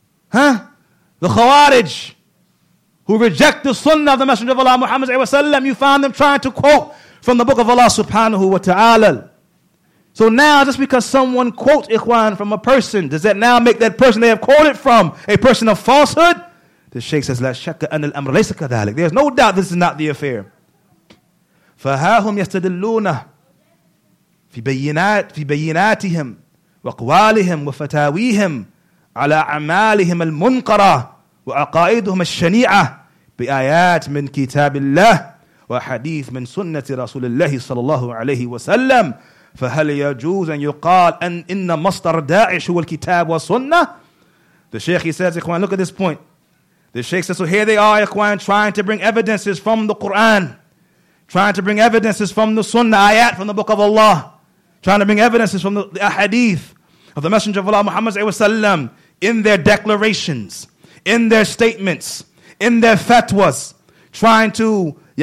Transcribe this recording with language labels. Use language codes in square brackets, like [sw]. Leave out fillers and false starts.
[en] Huh? The Khawarij, who reject the sunnah of the messenger of Allah, Muhammad sallallahu alayhi wa sallam. You find them trying to quote from the book of Allah subhanahu wa ta'ala. So now, just because someone quotes, Ikhwan, from a person, does that now make that person they have quoted from a person of falsehood? The Shaykh says, [ar] لَا شَكَّ أَنَّ الْأَمْرَ لَيْسَ كَذَلِكَ. [en] There's no doubt this is not the affair. [ar] فَهَاهُمْ يَسْتَدِلُّونَ في بيناتهم وقوالهم وفتاويهم على أعمالهم المنقرة وعقائدهم الشنيعة بآيات من كتاب الله وحديث من سنة رسول الله صلى الله عليه وسلم فهل يجوز أن يقال أن إن مصدر داعش هو الكتاب والسنة. [en] The Sheikh, he says, Ikhwan, look at this point. The Sheikh says, so here they are, Ikhwan, trying to bring evidences from the Quran, trying to bring evidences from the Sunnah, ayat from the book of Allah, trying to bring evidences from the ahadith of the Messenger of Allah, Muhammad sallallahu alayhi wa sallam, in their declarations, in their statements, in their fatwas, trying to,